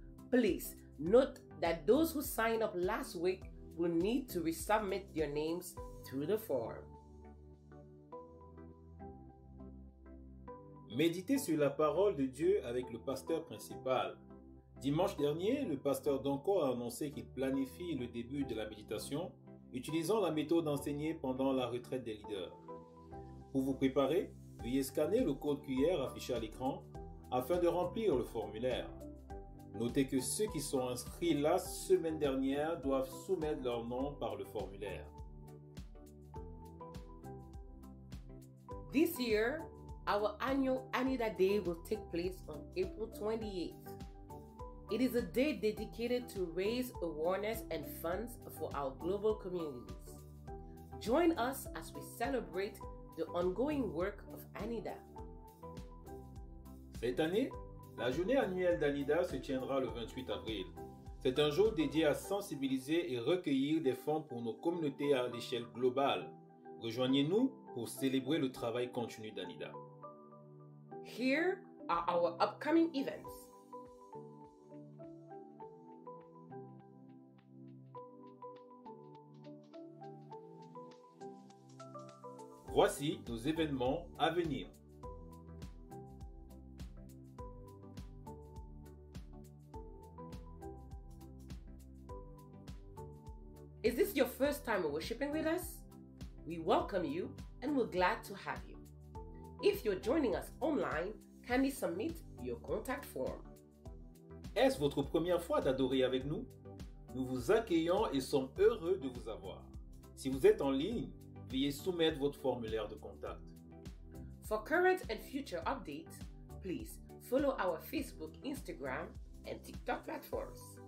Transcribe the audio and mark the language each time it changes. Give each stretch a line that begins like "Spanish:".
English: Please note that those who signed up last week will need to resubmit their names through the form.
French: Méditer sur la parole de Dieu avec le pasteur principal. Dimanche dernier, le pasteur Donkor a annoncé qu'il planifie le début de la méditation utilisant la méthode enseignée pendant la retraite des leaders. Pour vous préparer, veuillez scanner le code QR affiché à l'écran afin de remplir le formulaire. Notez que ceux qui sont inscrits la semaine dernière doivent soumettre leur nom par le formulaire.
English: This year, our annual Anida Day will take place on April 28th. It is a day dedicated to raise awareness and funds for our global communities. Join us as we celebrate the ongoing work of Anida.
French: Cette année, la journée annuelle d'Anida se tiendra le 28 avril. C'est un jour dédié à sensibiliser et recueillir des fonds pour nos communautés à l'échelle globale. Rejoignez-nous pour célébrer le travail continu d'Anida.
English: Here are our upcoming events.
French: Voici nos événements à venir.
English: Is this your first time worshiping with us? We welcome you and we're glad to have you. If you're joining us online, kindly submit your contact form.
French: Est-ce votre première fois d'adorer avec nous? Nous vous accueillons et sommes heureux de vous avoir. Si vous êtes en ligne, veuillez soumettre votre formulaire de contact.
English: For current and future updates, please follow our Facebook, Instagram and TikTok platforms.